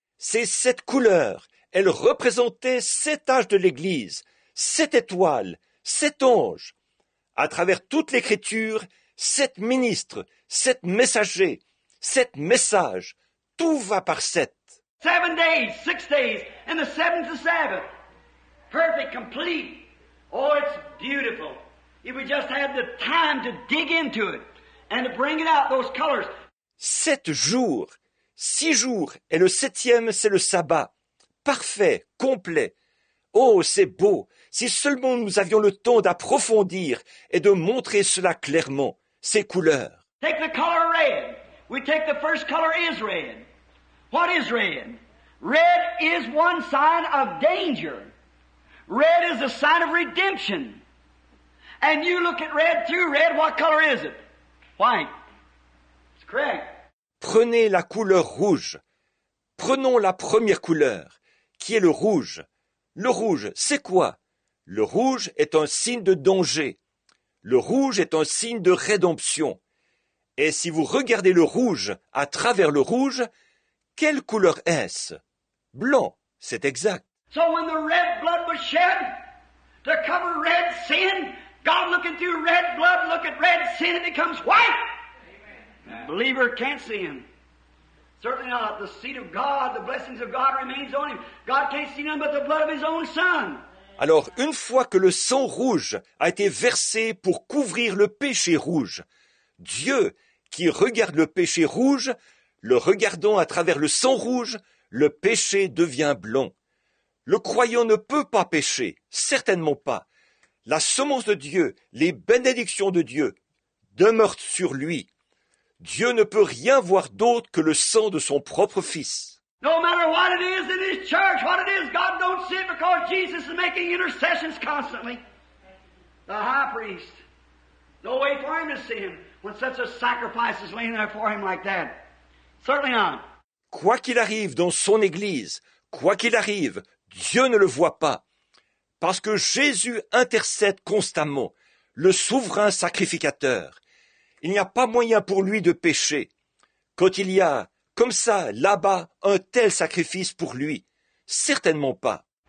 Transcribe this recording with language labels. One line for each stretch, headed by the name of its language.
French: Ces sept couleurs, elles représentaient sept âges de l'Église, sept étoiles, sept anges. À travers toute l'Écriture, sept ministres, sept messagers, sept messages, tout va par sept.
English: Seven days, six days, and the seventh is Sabbath. Perfect, complete. Oh, it's beautiful. If we just had the time to dig into it and to bring it out, those colors.
French: Sept jours, six jours, et le septième, c'est le sabbat. Parfait, complet. Oh, c'est beau. Si seulement nous avions le temps d'approfondir et de montrer cela clairement, ces couleurs.
English: Take the color red. We take the first color is red. What is red? Red is one sign of danger. Red is a sign of redemption. And you look at red through red, what color is it? White. It's correct.
French: Prenez la couleur rouge. Prenons la première couleur, qui est le rouge. Le rouge, c'est quoi? Le rouge est un signe de danger. Le rouge est un signe de rédemption. Et si vous regardez le rouge à travers le rouge, quelle couleur est-ce? Blanc, c'est exact.
English: So when the red blood was shed to cover red sin, God looking through red blood, look at red sin, it becomes white. Amen. Believer can't see him. Certainly not. The seed of God, the blessings of God remains on him. God can't see none but the blood of his own son.
French: Alors, une fois que le sang rouge a été versé pour couvrir le péché rouge, Dieu, qui regarde le péché rouge, le regardant à travers le sang rouge, le péché devient blanc. Le croyant ne peut pas pécher, certainement pas. La semence de Dieu, les bénédictions de Dieu, demeurent sur lui. Dieu ne peut rien voir d'autre que le sang de son propre Fils.
English: No matter what it is in his church, what it is, God don't see it because Jesus is making intercessions constantly. The high priest. No way for him to see him when such a sacrifice is laying there for him like that. Certainly not.
French: Quoi qu'il arrive dans son église, quoi qu'il arrive, Dieu ne le voit pas. Parce que Jésus intercède constamment, le souverain sacrificateur. Il n'y a pas moyen pour lui de pécher. Quand il y a, comme ça, là-bas, un tel sacrifice pour lui, certainement pas.